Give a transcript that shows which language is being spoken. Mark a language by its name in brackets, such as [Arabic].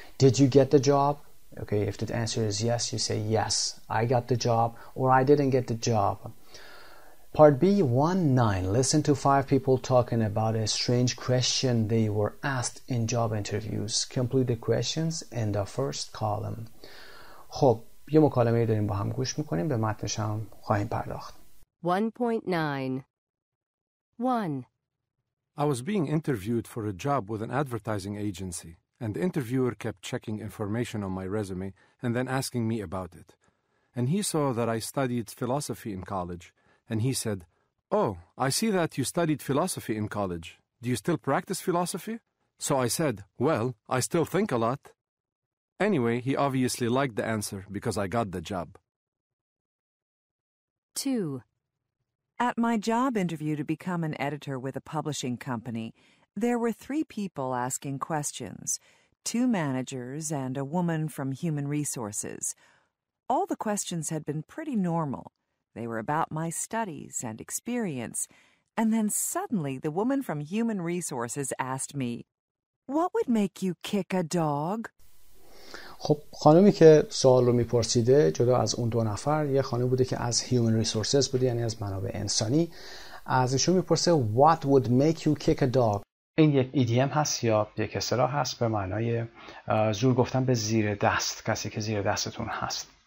[English] Did you get the job? Okay, if the answer is yes, you say yes, I got the job, or I didn't get the job. Part B, 1-9. Listen to 5 people talking about a strange question they were asked in job interviews. Complete the questions in the first column. [Persian] خب، یه مکالمه داریم با هم گوش میکنیم. به متنش هم خواهیم پرداخت. 1.9 1. [English] I was being interviewed for a job with an advertising agency, and the interviewer kept checking information on my resume and then asking me about it. And he saw that I studied philosophy in college, and he said, "Oh, I see that you studied philosophy in college. Do you still practice philosophy?" So I said, "Well, I still think a lot." Anyway, he obviously liked the answer because I got the job. 2. At my job interview to become an editor with a publishing company, there were 3 people asking questions, 2 managers and a woman from human resources. All the questions had been pretty normal. They were about my studies and experience. And then suddenly the woman from human resources asked me, "What would make you kick a dog?" [Persian] خب خانمی که سوال رو میپرسیده جدا از اون 2 نفر یه خانم بوده که از human resources بوده، یعنی از منابع انسانی، ازشون میپرسه [English] what would make you kick a dog. [Persian] این یک ایدیم هست یا یک اصطلاح هست به معنای زور گفتن به زیر دست، کسی که زیر دستتون هست.